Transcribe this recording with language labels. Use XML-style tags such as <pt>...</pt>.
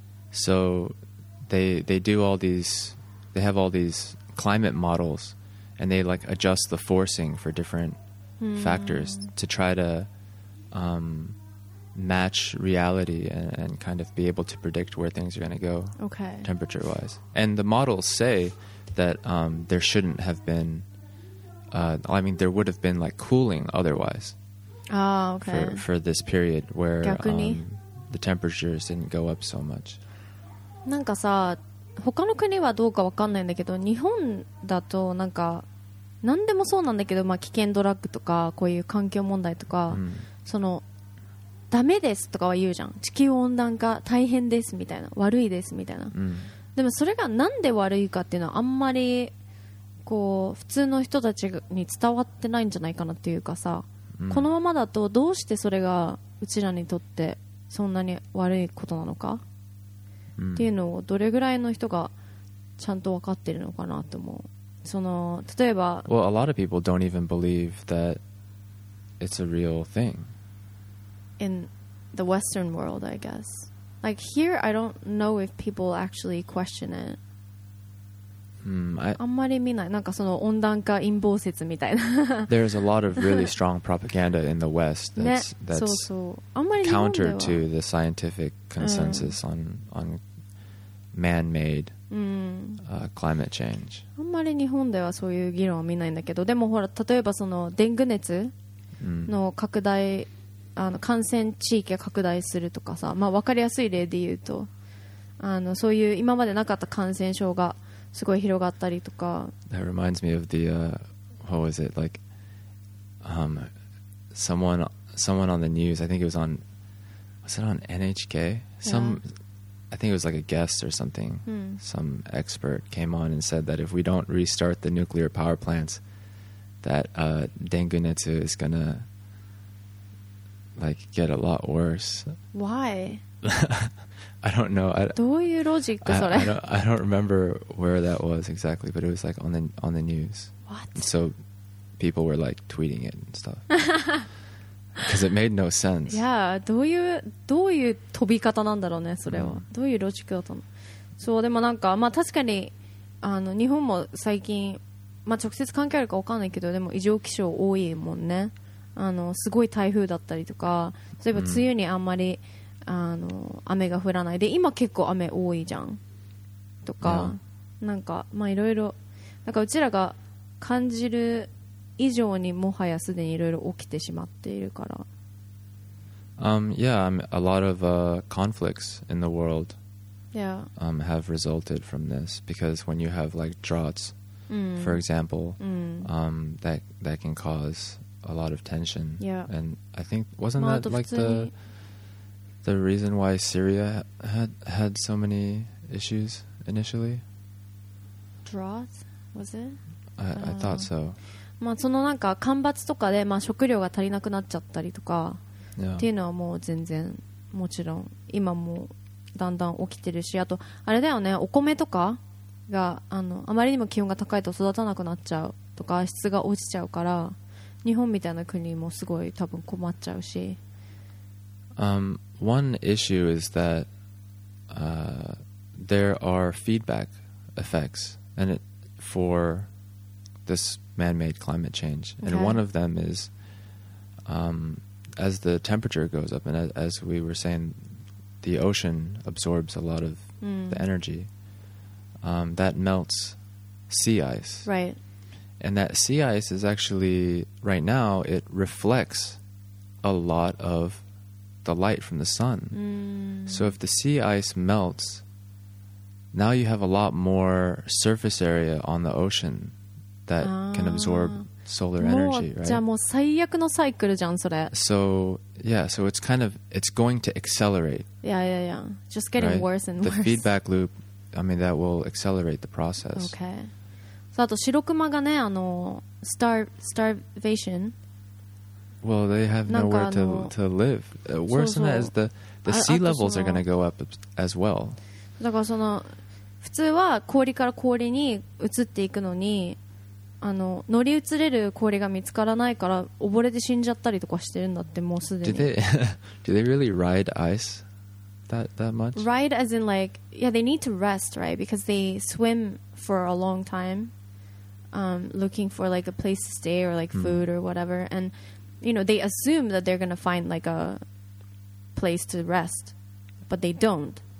<en>So they do all these, they have all these climate models, and they like adjust the forcing for different factors to try to match reality and kind of be able to predict where things are going to go. Okay. Temperature wise. And the models say that there shouldn't have been I mean there would have been like cooling otherwise. Ah, okay. For this period where the temperatures didn't go up so much.</en> <ja>なんかさ、他の国はどうかわかんないんだけど、日本だとなんか何でもそうなんだけど、まあ危険ドラッグとかこういう環境問題とか、そのダメですとかは言うじゃん。地球温暖化大変ですみたいな、悪いですみたいな。でもそれがなんで悪いかっていうのはあんまりこう普通の人たちに伝わってないんじゃないかなっていうかさ、このままだとどうしてそれがうちらにとってそんなに悪いことなのかっていうのをどれぐらいの人がちゃんと分かってるのかなと思う。その例えば、</ja> <en>Well, a lot of people don't even believe that it's a real thing. In the Western world, I guess. Like here, I don't know if people actually question it.</en> <ja>あんまり見ない。なんかその温暖化陰謀説みたいな。</ja> <en>There's a lot of really strong propaganda in the West that's counter to the scientific consensus on man-made climate change.</en> <ja>あんまり日本ではそういう議論は見ないんだけど、でもほら、例えばそのデング熱の拡大、あの感染地域が拡大するとかさ、まあ、分かりやすい例で言うと、あのそういう今までなかった感染症がすごい広がったりとか。</ja> <en>That reminds me of the what was it like someone on the news, I think it was on, was it on NHK? Some, I think it was like a guest or something, some expert came on and said that if we don't restart the nuclear power plants, that dengue netsu is gonna like get a lot worse. Why? I don't know. どういうロジックそれ? I don't remember where that was exactly, but it was like on the news. What? And so people were like tweeting it and stuff. Because it made no sense.</en> <ja>Yeah, どういう飛び方なんだろうね、それは。どういうロジックだったの? そう、でもなんか、まあ確かに、あの、日本も最近、まあ直接関係あるか分かんないけど、でも異常気象多いもんね。あの、すごい台風だったりとか、例えば梅雨にあんまり、あの、雨が降らない。で、今結構雨多いじゃん。とか、なんか、まあいろいろ、なんかうちらが感じる、以上にもはやすでにいろいろ起きてしまっているから。</ja> <en>Yeah, a lot of conflicts in the world. Yeah. Have resulted from this because when you have like droughts, for example, that can cause a lot of tension. Yeah. And I think wasn't that like the reason why Syria had so many issues initially? Droughts? Was it? I thought so.</en> <ja>まあ、そのなんか干ばつとかでまあ食料が足りなくなっちゃったりとかっていうのはもう全然もちろん今もだんだん起きてるし、あとあれだよね、お米とかが あまりにも気温が高いと育たなくなっちゃうとか質が落ちちゃうから、日本みたいな国もすごい多分困っちゃうし、</ja> <en>One issue is that there are feedback effects and it for thisman-made climate change. And one of them is as the temperature goes up, and as we were saying, the ocean absorbs a lot of the energy, that melts sea ice. Right. And that sea ice is actually, right now, it reflects a lot of the light from the sun. So if the sea ice melts, now you have a lot more surface area on the ocean. That can absorb solar energy, right?</en> <ja>じゃあもう最悪のサイクルじゃんそれ。</ja> <en>So yeah, so it's kind of it's going to accelerate. Yeah, yeah, yeah. Just getting worse and the worse. The feedback loop, I mean, that will accelerate the process.</en> <ja>Okay. そう、あと白熊がね、あの</ja> <en>starvation. Well, they have nowhere to live. Worse than that is the sea levels are going to go up as well.</en> <ja>だからその普通は氷から氷に移っていくのに。あの乗り移れる氷が見つからないから溺れて死んじゃったりとかしてるんだって、もうすでに。</ja> <en>Do they really ride ice that much? Ride as in like, yeah, they need to rest, right? Because they swim for a long time, looking for like a place to stay or like food or whatever. And you know, they assume that they're gonna find like a place to rest, but they don't.</en>